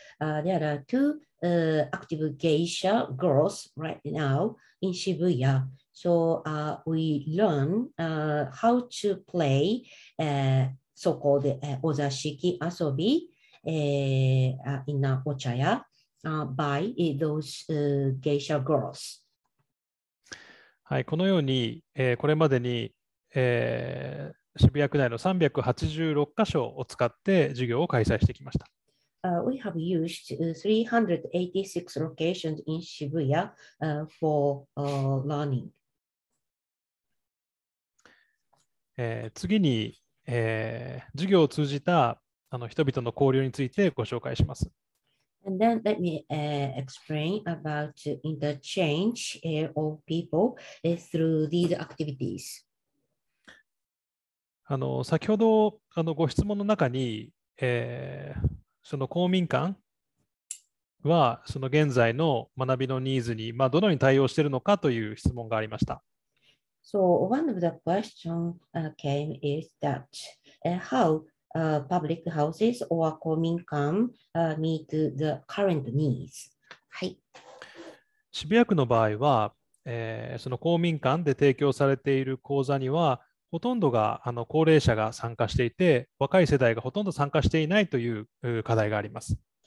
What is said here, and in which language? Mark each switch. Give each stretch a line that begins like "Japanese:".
English: There are two active geisha girls right now in Shibuya So we learn how to play so-called ozashiki asobi in ochaya by those geisha girls.
Japanese: はい、このように、これまでに、渋谷区内の386箇所を使って授業を開催してきました。
English: We have used 386 locations in Shibuya for learning.
Japanese: 次に、授業を通じた人々の交流についてご紹介します。
English: And then let me explain about interchange of people through these activities.
Japanese: 先ほどご質問の中に、その公民館はその現在の学びのニーズに、まあ、どのように対応しているのかという質問がありました。
English: So one of the questions came is that how public houses or 公民館 meet the current needs?
Japanese: はい。渋谷区の場合は、その公民館で提供されている講座にはほとんどが高齢者が参加していて、若い世代がほとんど参加していないという課題があります。